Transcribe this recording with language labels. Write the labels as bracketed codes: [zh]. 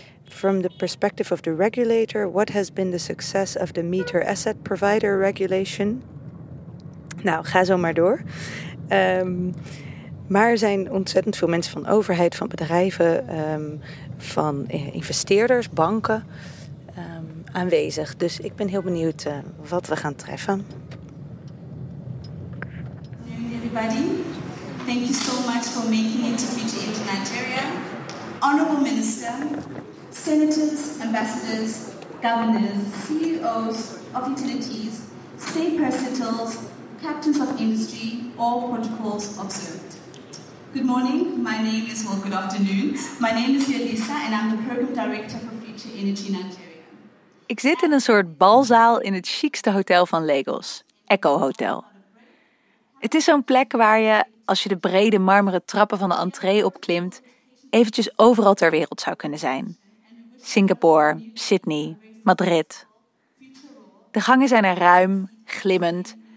[en] From the perspective of the regulator, what has been the success of the meter asset provider regulation? [nl] Nou, ga zo maar door. Maar er zijn ontzettend veel mensen van overheid, van bedrijven, van investeerders, banken aanwezig. Dus ik ben heel benieuwd wat we gaan treffen. [en] Everybody, thank you so much for making it to Future Energy Nigeria. Honourable Minister, senators, ambassadors, governors, CEOs of utilities, state presidents, captains of industry, all protocols observed. Good morning, my name is, well, good afternoon. My name is Yelisa and I'm the program director for Future Energy Nigeria. [nl] Ik zit in een soort balzaal in het chicste hotel van Lagos, Echo Hotel. Het is zo'n plek waar je, als je de brede marmeren trappen van de entree opklimt, eventjes overal ter wereld zou kunnen zijn. Singapore, Sydney, Madrid. De gangen zijn er ruim, glimmend.